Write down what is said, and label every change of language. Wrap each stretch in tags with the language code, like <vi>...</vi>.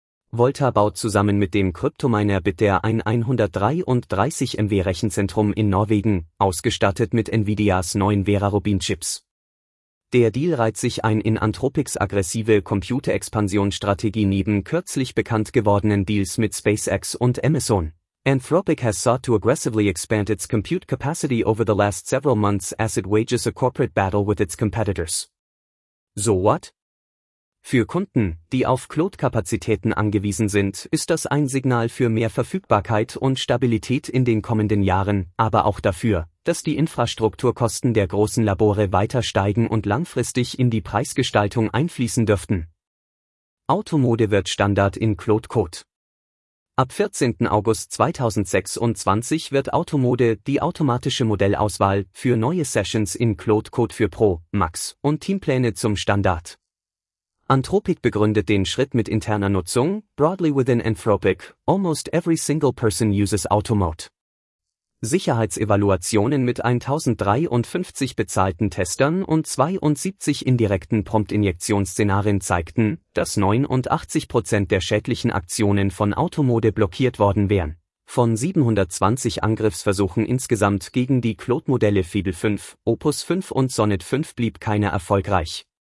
<de>Volta baut zusammen mit dem Kryptominer Bitdeer ein 133 MW Rechenzentrum in Norwegen, ausgestattet mit Nvidias neuen Vera Rubin Chips. Der Deal reiht sich ein in Anthropics aggressive Computerexpansionsstrategie neben kürzlich bekannt gewordenen Deals mit SpaceX und Amazon.</de> <en>Anthropic has sought to aggressively expand its compute capacity over the last several months as it wages a corporate battle with its competitors. So what?</en> <de>Für Kunden, die auf Cloud-Kapazitäten angewiesen sind, ist das ein Signal für mehr Verfügbarkeit und Stabilität in den kommenden Jahren, aber auch dafür, dass die Infrastrukturkosten der großen Labore weiter steigen und langfristig in die Preisgestaltung einfließen dürften. Automode wird Standard in Cloud Code. Ab 14. August 2026 wird Automode die automatische Modellauswahl für neue Sessions in Cloud Code für Pro, Max und Teampläne zum Standard. Anthropic begründet den Schritt mit interner Nutzung.</de> <en>Broadly within Anthropic, almost every single person uses Automode.</en> <de>Sicherheitsevaluationen mit 1053 bezahlten Testern und 72 indirekten Prompt-Injektionsszenarien zeigten, dass 89% der schädlichen Aktionen von Automode blockiert worden wären. Von 720 Angriffsversuchen insgesamt gegen die Cloud-Modelle Fiebel 5, Opus 5 und Sonnet 5 blieb keiner erfolgreich.</de>